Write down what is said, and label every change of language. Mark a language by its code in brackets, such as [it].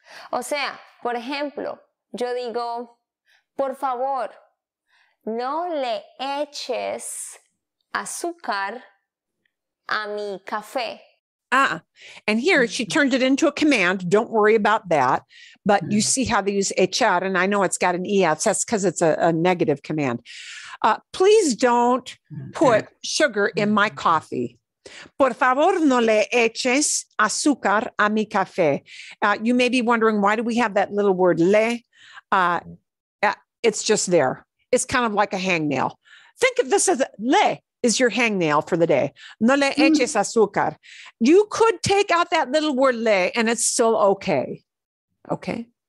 [es] O sea, por ejemplo, yo digo, por favor, no le eches azúcar a mi café. [en] And here she turned it into a command. Don't worry about that. But you see how they use echar, and I know it's got an ES. That's because it's a negative command. Please don't put sugar in my coffee. [es] Por favor, no le eches azúcar a mi café. [en] You may be wondering, why do we have that little word le? It's just there. It's kind of like a hangnail. Think of this as le is your hangnail for the day. [es] No le eches azúcar. [en] You could take out that little word le and it's still okay. Okay.